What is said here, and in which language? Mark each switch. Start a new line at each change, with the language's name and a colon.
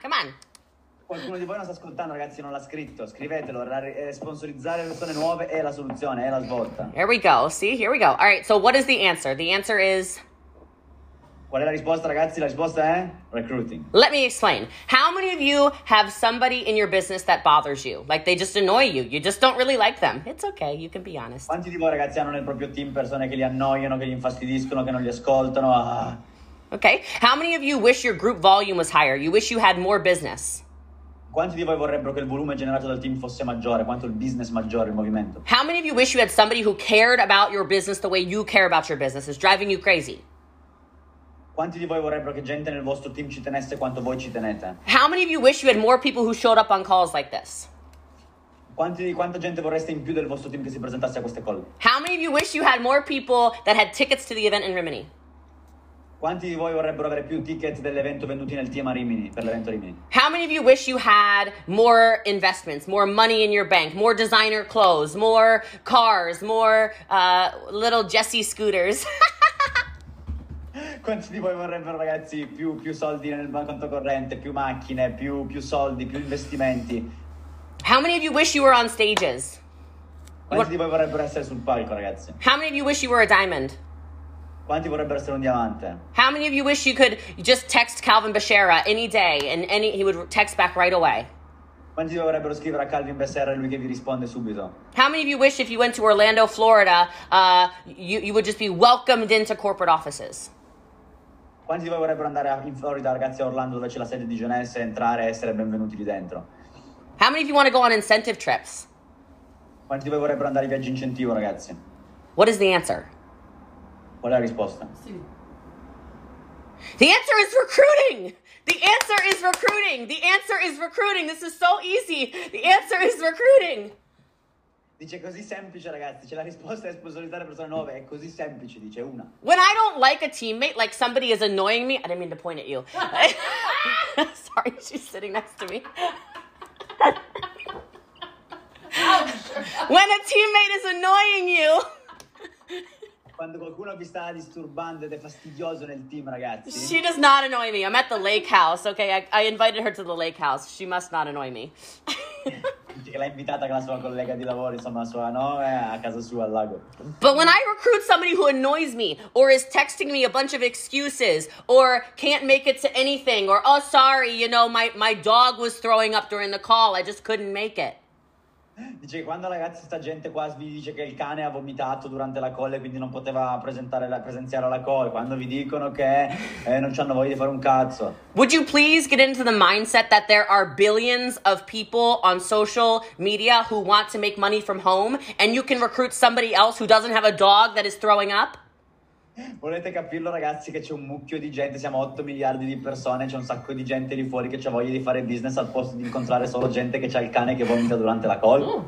English: Come on.
Italian: Qualcuno di voi non sta ascoltando, ragazzi, non l'ha scritto. Scrivetelo, sponsorizzare persone nuove è la soluzione, è la svolta.
English: Here we go, see, here we go. All right, so what is the answer? The answer is...
Italian: Qual è la risposta, ragazzi? La risposta è recruiting.
English: Let me explain. How many of you have somebody in your business that bothers you? Like, they just annoy you. You just don't really like them. It's okay, you can be honest.
Italian: Quanti di voi, ragazzi, hanno nel proprio team persone che li annoiano, che li infastidiscono, che non li ascoltano? Ah.
English: Okay, how many of you wish your group volume was higher? You wish you had more business?
Italian: Quanti di voi vorrebbero che il volume generato dal team fosse maggiore? Quanto il business maggiore, il movimento?
English: How many of you wish you had somebody who cared about your business the way you care about your business? It's driving you crazy.
Italian: Quanti di voi vorrebbero che gente nel vostro team ci tenesse quanto voi ci tenete?
English: How many of you wish you had more people who showed up on calls like this?
Italian: Quanta gente vorreste in più del vostro team che si presentasse a queste call?
English: How many of you wish you had more people that had tickets to the event in Rimini?
Italian: Quanti di voi vorrebbero avere più ticket dell'evento venduti nel team a Rimini, per l'evento Rimini?
English: How many of you wish you had more investments, more money in your bank, more designer clothes, more cars, more little Jesse scooters?
Italian: Quanti di voi vorrebbero, ragazzi, più soldi nel conto corrente, più macchine, più soldi, più investimenti?
English: How many of you wish you were on stages?
Italian: Quanti di voi vorrebbero essere sul palco, ragazzi?
English: How many of you wish you were a diamond?
Italian: Quanti vorrebbero essere un diamante?
English: How many of you wish you could just text Calvin Becerra any day and he would text back right away?
Italian: Quanti vorrebbero scrivere a Calvin Becerra e lui che vi risponde subito?
English: How many of you wish if you went to Orlando, Florida, you would just be welcomed into corporate offices?
Italian: Quanti vorrebbero andare in Florida, ragazzi, a Orlando dove c'è la sede di Jones, entrare e essere benvenuti lì dentro?
English: How many of you want to go on incentive trips?
Italian: Quanti vorrebbero andare in viaggi incentivo, ragazzi?
English: What is the answer?
Italian: Qual è la risposta?
English: The answer is recruiting! The answer is recruiting! The answer is recruiting! This is so easy! The answer is recruiting!
Italian: Dice così semplice, ragazzi. Cioè, la risposta è sponsorizzare persone nuove. È così semplice, dice una.
English: When I don't like a teammate, like somebody is annoying me, I didn't mean to point at you. Sorry, she's sitting next to me. When a teammate is annoying you...
Italian: Quando qualcuno vi sta disturbando ed è fastidioso nel team, ragazzi.
English: She does not annoy me. I'm at the lake house, okay? I invited her to the lake house. She must not annoy me.
Italian: che l'ha invitata con la sua collega di lavoro, insomma, la sua, no, a casa sua al lago.
English: But when I recruit somebody who annoys me or is texting me a bunch of excuses or can't make it to anything or, oh, sorry, you know, my dog was throwing up during the call, I just couldn't make it.
Italian: Dice quando ragazzi sta gente qua vi dice che il cane ha vomitato durante la call e quindi non poteva presenziare la call, quando vi dicono che non c'hanno voglia di fare un cazzo.
English: Would you please get into the mindset that there are billions of people on social media who want to make money from home and you can recruit somebody else who doesn't have a dog that is throwing up?
Italian: Volete capirlo ragazzi che c'è un mucchio di gente, siamo 8 miliardi di persone, c'è un sacco di gente lì fuori che c'ha voglia di fare business al posto di incontrare solo gente che c'ha il cane che vomita durante la call.